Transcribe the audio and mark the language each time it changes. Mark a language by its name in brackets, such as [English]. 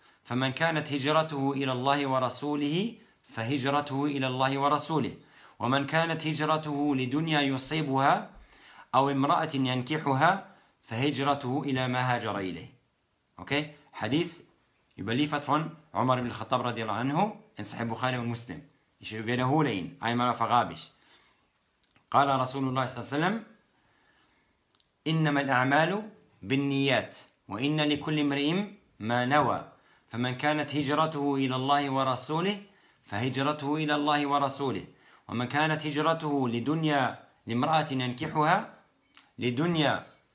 [Arabic] فمن كانت هجرته إلى الله ورسوله فهجرته إلى الله ورسوله ومن كانت هجرته لدنيا يصيبها أو امرأة ينكحها فهجرته إلى ما هاجر إليه. [German] Okay, حديث überliefert von Umar ibn al-Khattab [Arabic] رضي الله عنه [German] in Sahih Bukhari und Muslim. Ich wiederhole ihn einmal auf Arabisch. [Arabic] قال رسول الله صلى الله عليه وسلم إنما الأعمال بالنيات وإن لكل امرئ ما نوى فمن كانت هجرته إلى الله ورسوله فهجرته إلى الله ورسوله ومن كانت هجرته لدنيا لامرأة ينكحها لدنيا